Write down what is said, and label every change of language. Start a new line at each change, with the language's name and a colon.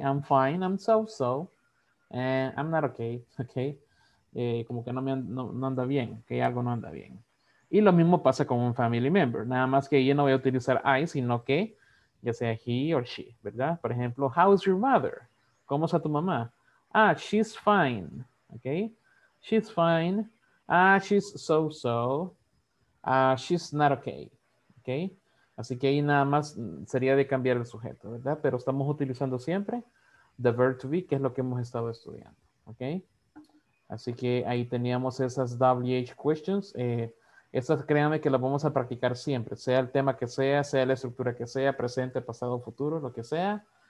English: I'm fine, I'm so-so, and I'm not okay, okay.
Spanish: Como que no anda bien, que okay? Algo no anda bien. Y lo mismo pasa con un family member, nada más que yo no voy a utilizar I, sino que ya sea
English: he or she,
Spanish: ¿verdad?
English: Por ejemplo, how is your mother?
Spanish: ¿Cómo está tu mamá?
English: Ah, she's fine, okay. She's fine. Ah, she's so-so. Ah, she's not okay, okay.
Spanish: Así que ahí nada más sería de cambiar el sujeto, ¿verdad? Pero estamos utilizando siempre the verb to be, que es lo que hemos estado estudiando, ¿ok? Así que ahí teníamos esas WH questions. Esas, créanme que las vamos a practicar siempre, sea el tema que sea, sea la estructura que sea, presente, pasado, futuro, lo que sea.